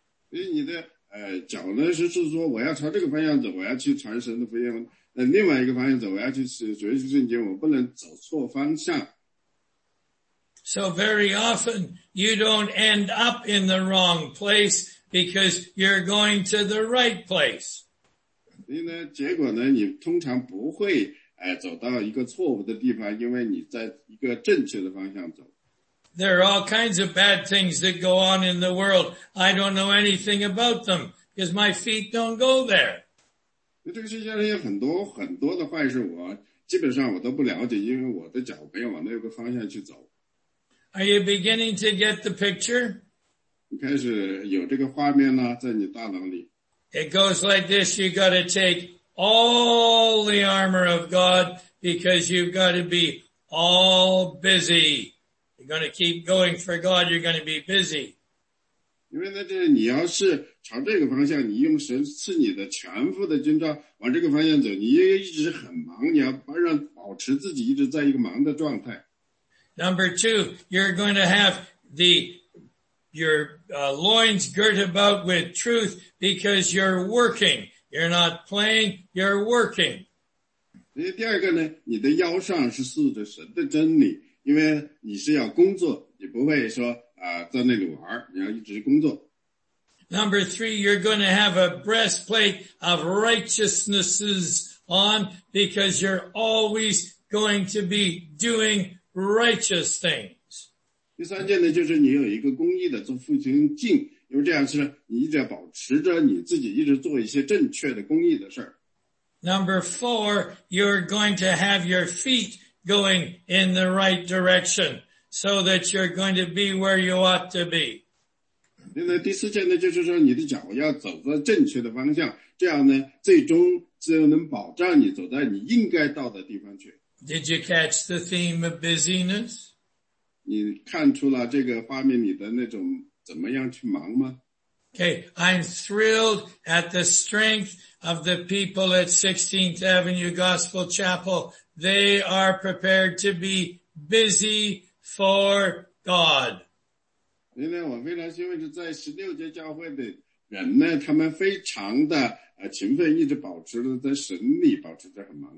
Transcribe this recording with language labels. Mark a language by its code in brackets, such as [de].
[zh] 所以你的脚呢是就是说我要朝这个方向走，我要去传神的福音，另外一个方向走，我要去学习圣经，我不能走错方向。 [en] So very often you don't end up in the wrong place because you're going to the right place. [zh] 所以呢，结果呢，你通常不会走到一个错误的地方，因为你在一个正确的方向走。 [en] There are all kinds of bad things that go on in the world. I don't know anything about them because my feet don't go there. [zh] 这个世界上有很多很多的坏事，我基本上我都不了解，因为我的脚没有往那个方向去走。 [en] Are you beginning to get the picture? [zh] 你开始有这个画面呢，在你大脑里。 [en] It goes like this. You got to take all the armor of God because you've got to be all busy. You're going to keep going for God, you're going to be busy. [zh] 因为呢，你要是朝这个方向，你用神赐你的全副的军装往这个方向走，你也一直很忙，你要让保持自己一直在一个忙的状态。 [en] Number two, you're going to have your loins girt about with truth because you're working. You're not playing, you're working. [zh] 所以第二个呢，你的腰上是束着神的真理。因为你是要工作，你不会说在那里玩，你要一直工作。 [en] Number three, you're going to have a breastplate of righteousnesses on because you're always going to be doing righteous things. [zh] 第三件呢，就是你有一个公义的做父亲敬，因为这样是你一直要保持着你自己一直做一些正确的公义的事儿。 [en] Number four, you're going to have your feet. Going in the right direction so that you're going to be where you ought to be. [zh] 那么第四件呢，就是说你的脚要走在正确的方向，这样呢，最终只有能保障你走在你应该到的地方去。 [en] Did you catch the theme of busyness? [zh] 你看出了这个画面里的那种怎么样去忙吗？ [en] Okay, I'm thrilled at the strength of the people at 16th Avenue Gospel Chapel. They are prepared to be busy for God. [zh] 因为我非常欣慰，在16届教会的人呢，他们非常的勤奋，一直保持着在神里，保持着很忙。